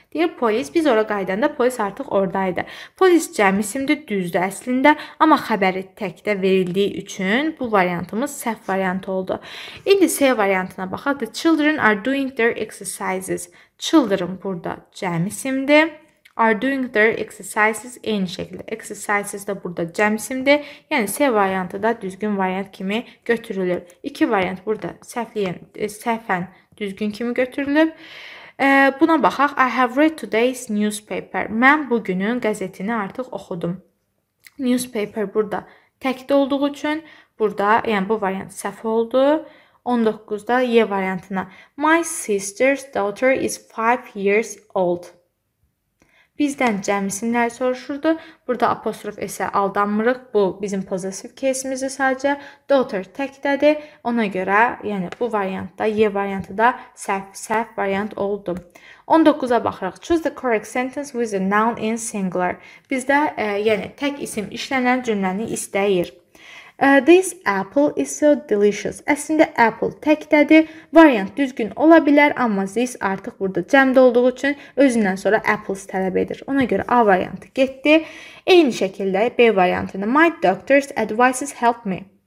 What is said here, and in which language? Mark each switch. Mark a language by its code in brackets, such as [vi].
[az] Deyir, polis, biz ora qaydanda polis artıq oradaydı. Polis cəm isimdir, düzdür əslində, amma xəbəri təkdə verildiyi üçün bu variantımız səhv variant oldu. İndi C variantına baxaq. [en] The children are doing their exercises. [az] Children burada cəm isimdir. [en] Are doing their exercises [az] eyni şəkildə. Exercises də burada cəm isimdir. Yəni C variantı da düzgün variant kimi götürülür. İki variant burada səhvən düzgün kimi götürülüb. Buna baxaq, [en] I have read today's newspaper. [az] Mən bugünün qəzetini artıq oxudum. Newspaper burada təkdə olduğu üçün, burada, yəni bu variant səhv oldu. 19-da Y variantına. [en] My sister's daughter is 5 years old. [az] Bizdən cəm isimləri soruşurdu. Burada apostrof isə aldanmırıq. Bu bizim possessive case-imizdir sadəcə. Daughter təkdədir. Ona görə, yəni bu variantda, Y variantı da səhv variant oldu. 19-a baxırıq. [en] Choose the correct sentence with the noun in singular. [az] Bizdə yəni tək isim işlənən cümləni istəyir. [en] This apple is so delicious. [az] Əslində, apple təkdədir. Variant düzgün ola bilər, amma this artıq burada cəmdə olduğu üçün özündən sonra apples tələb edir. Ona görə A variantı getdi. Eyni şəkildə B variantında [en] my doctor's advices help me.